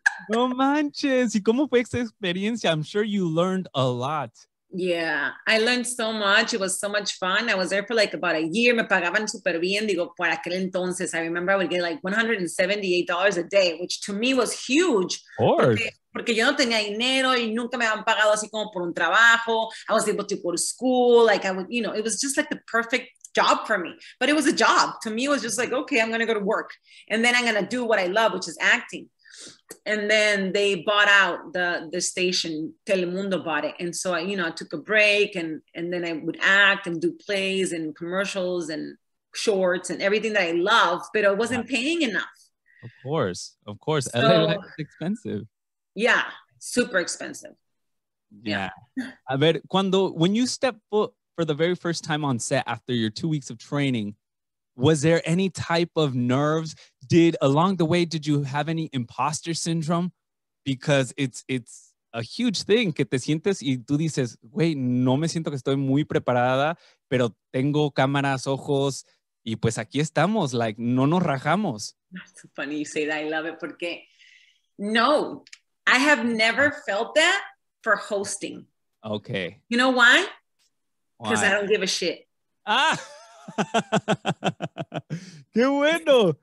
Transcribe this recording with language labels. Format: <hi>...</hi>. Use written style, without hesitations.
<es>No manches. ¿Y cómo fue esa experiencia?</es> <en>I'm sure you learned a lot. Yeah, I learned so much. It was so much fun. I was there for like about a year.</en> <es>Me pagaban super bien. Digo, por aquel entonces.</es> <en>I remember I would get like $178 a day, which to me was huge. Of course.</en> <es>Porque yo no tenía dinero y nunca me habían pagado así como por un trabajo.</es> <en>I was able to go to school. Like I would, you know, it was just like the perfect job for me. But it was a job. To me, it was just like, okay, I'm going to go to work. And then I'm going to do what I love, which is acting. And then they bought out the station, Telemundo bought it. And so I took a break and then I would act and do plays and commercials and shorts and everything that I love, but I wasn't paying enough. Of course. So, LA life is expensive. Yeah, super expensive. Yeah.</en> <es>A ver,</es> <en>when you step foot for the very first time on set after your 2 weeks of training, was there any type of nerves? Did along the way, did you have any imposter syndrome? Because it's a huge thing.</en> <es>Que te sientes y tú dices, güey, no me siento que estoy muy preparada, pero tengo cámaras, ojos, y pues aquí estamos. Like, no nos rajamos.</es> <en>That's so funny you say that. I love it.</en> <es>Porque no,</es> <en>I have never felt that for hosting. Okay. You know why? Because I don't give a shit.</en> <es>Ah. Qué bueno.</es>